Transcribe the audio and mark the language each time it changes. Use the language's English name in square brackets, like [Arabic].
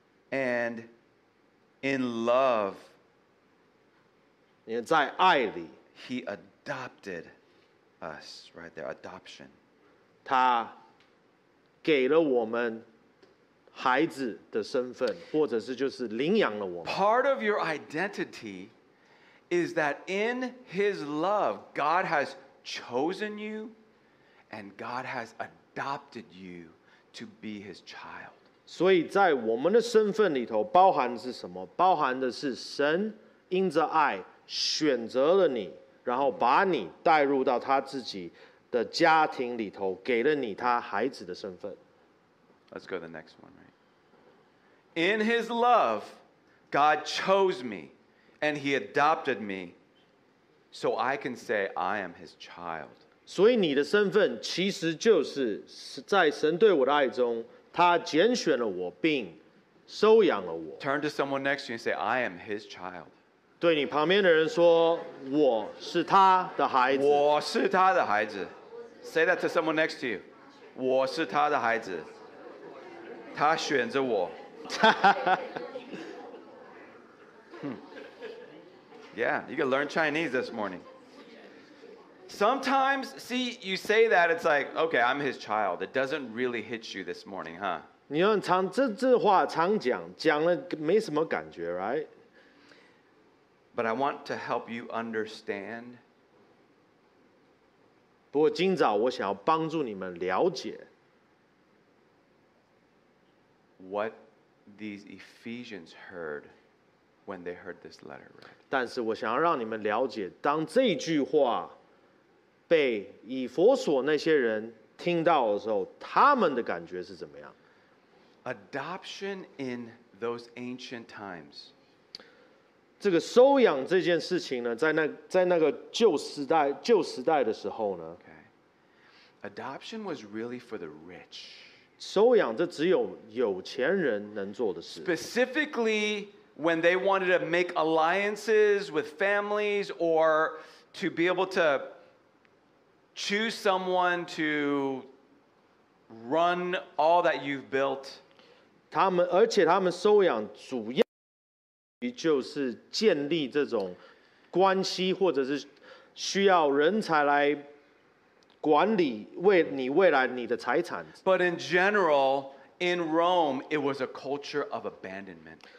[English] And in love, [Chinese] 你在爱里 [English] ，He adopted us right there. Adoption. [Chinese] 他给了我们孩子的身份，或者是就是领养了我们。 [English] Part of your identity is that in His love, God has chosen you. And God has adopted you to be His child. [Chinese] 所以在我们的身份里头包含的是什么？包含的是神因着爱选择了你，然后把你带入到他自己的家庭里头，给了你他孩子的身份。 [English] Let's go to the next one, right? In His love, God chose me and He adopted me so I can say I am His child. [Chinese] 所以你的身份其实就是在神对我的爱中，他拣选了我并收养了我。 [English] Turn to someone next to you and say, "I am His child." [Chinese] 对你旁边的人说，我是他的孩子。我是他的孩子。 [English] Say that to someone next to you. [Chinese] 我是他的孩子。他选择我。 [English] Yeah, you can learn Chinese this morning. Sometimes, see, you say that, it's like, okay, I'm his child. It doesn't really hit you this morning, huh? [Chinese] 你看常这话常讲，讲了没什么感觉 right? [English] But I want to help you understand [Chinese] 不过今早我想要帮助你们了解 [English] what these Ephesians heard when they heard this letter read. [Chinese] 但是我想要让你们了解，当这句话被以弗所那些人听到的时候，他们的感觉是怎么样？ [English] Adoption in those ancient times. [Chinese] 这个收养这件事情呢，在那个旧时代的时候呢， [English] okay. Adoption was really for the rich. [Chinese] 收养这只有有钱人能做的事。 [English] Specifically, when they wanted to make alliances with families or to be able to choose someone to run all that you've built. [Chinese] 而且他们收养主要就是建立这种关系，或者是需要人才来管理为你未来你的财产。 [English] But in general, in Rome, it was a culture of abandonment.